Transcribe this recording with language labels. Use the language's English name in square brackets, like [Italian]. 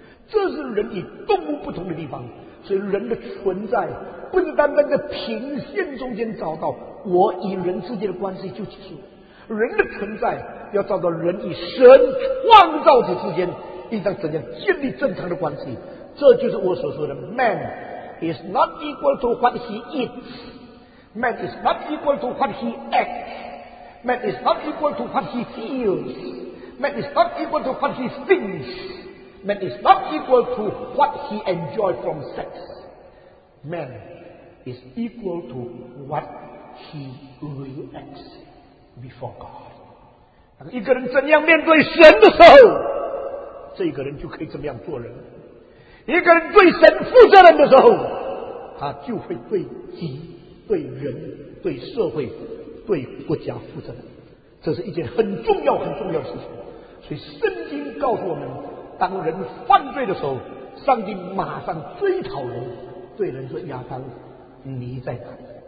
[Chinese] 这是人与动物不同的地方。所以人的存在不是单单在平线中间找到我与人之间的关系就结束，人的存在要找到人与神创造者之间应当怎样建立正常的关系。这就是我所说的 [English] Man is not equal to what he is, Man is not equal to what he acts, Man is not equal to what he feels, Man is not equal to what he thinks, Man is not equal to what he enjoys from sex, Man is equal to what he reactsbefore God。 [Chinese] 一个人怎样面对神的时候，这个人就可以怎么样做人。一个人对神负责任的时候，他就会对己、对人、对社会、对国家负责任。这是一件很重要很重要的事情。所以圣经告诉我们，当人犯罪的时候，上帝马上追讨人，对人说：亚当，你在哪里？